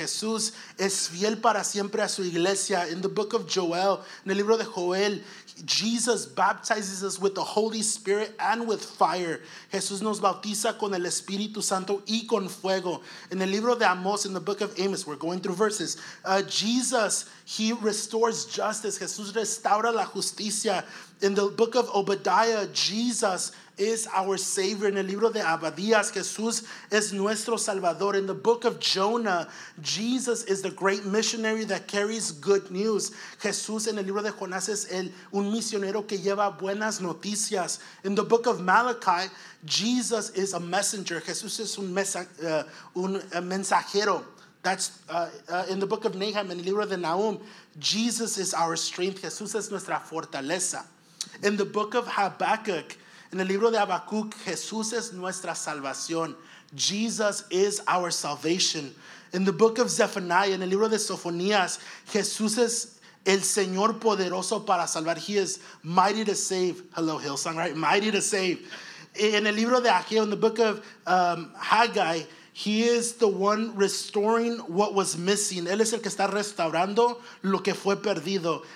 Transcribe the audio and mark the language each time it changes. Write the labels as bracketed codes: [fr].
[es] Jesús es fiel para siempre a su iglesia. [en] In the book of Joel, [es] en el libro de Joel, [en] Jesus baptizes us with the Holy Spirit and with fire. [es] Jesús nos bautiza con el Espíritu Santo y con fuego. [en] In [es] el libro de Amos, [en] in the book of Amos, we're going through verses. Jesus, he restores justice. [es] Jesús restaura la justicia. [en] In the book of Obadiah, Jesus is our Savior. [es] In el libro de Abadías, Jesús es nuestro Salvador. [en] In the book of Jonah, Jesus is the great missionary that carries good news. [es] Jesús en el libro de Jonás es un misionero que lleva buenas noticias. [en] In the book of Malachi, Jesus is a messenger. [es] Jesús es un mensajero. [en] In the book of Nahum, in [es] el libro de Nahum, [en] Jesus is our strength. [es] Jesús es nuestra fortaleza. [en] In the book of Habakkuk, [es] in the libro de Habacuc, Jesús es nuestra salvación. [en] Jesus is our salvation. In the book of Zephaniah, in the [es] libro de Sofonías, Jesús es el Señor poderoso para salvar. [en] He is mighty to save. Hello, Hillsong, right? Mighty to save. In the [es] libro de Ageo, [en] in the book of Haggai, he is the one restoring what was missing. [es] Él es el que está restaurando lo que fue perdido.